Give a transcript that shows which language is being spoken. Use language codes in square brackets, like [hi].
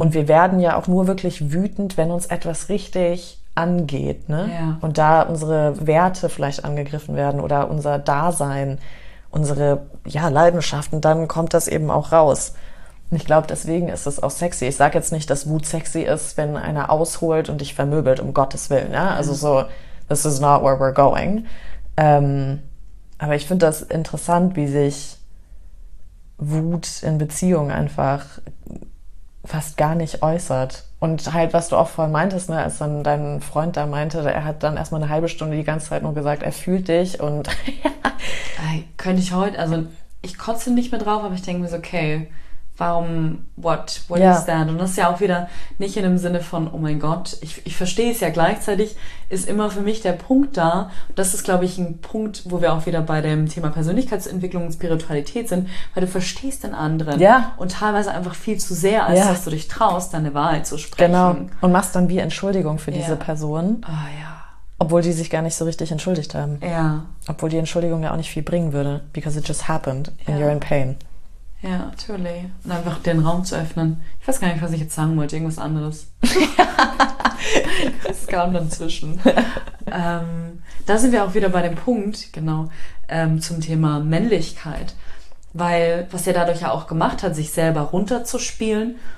[de] Und wir werden ja auch nur wirklich wütend, wenn uns etwas richtig angeht, ne? Ja. Und da unsere Werte vielleicht angegriffen werden oder unser Dasein, unsere, ja, Leidenschaften, dann kommt das eben auch raus. Und ich glaube, deswegen ist es auch sexy. Ich sage jetzt nicht, dass Wut sexy ist, wenn einer ausholt und dich vermöbelt, um Gottes Willen. Ja? Also so, [en] this is not where we're going. [de] Aber ich finde das interessant, wie sich Wut in Beziehungen einfach fast gar nicht äußert. Und halt, was du auch vorhin meintest, ne, als dann dein Freund da meinte, er hat dann erstmal eine halbe Stunde die ganze Zeit nur gesagt, er fühlt dich und... Könnte ich heute, also ich kotze nicht mehr drauf, aber ich denke mir so, okay, warum, [en] what is that? [de] Und das ist ja auch wieder nicht in dem Sinne von, oh mein Gott, ich verstehe es ja, gleichzeitig ist immer für mich der Punkt da, und das ist, glaube ich, ein Punkt, wo wir auch wieder bei dem Thema Persönlichkeitsentwicklung und Spiritualität sind, weil du verstehst den anderen und teilweise einfach viel zu sehr, als dass du dich traust, deine Wahrheit zu sprechen. Genau, und machst dann wie Entschuldigung für diese Person. Ah, oh, ja. Obwohl die sich gar nicht so richtig entschuldigt haben. Ja. Obwohl die Entschuldigung ja auch nicht viel bringen würde. [en] Because it just happened and you're in pain. [de] Ja, totally. Und einfach den Raum zu öffnen. Ich weiß gar nicht, was ich jetzt sagen wollte. Irgendwas anderes. Das kam dann zwischen. Da sind wir auch wieder bei dem Punkt, genau, zum Thema Männlichkeit. Weil, was er dadurch ja auch gemacht hat, sich selber runterzuspielen.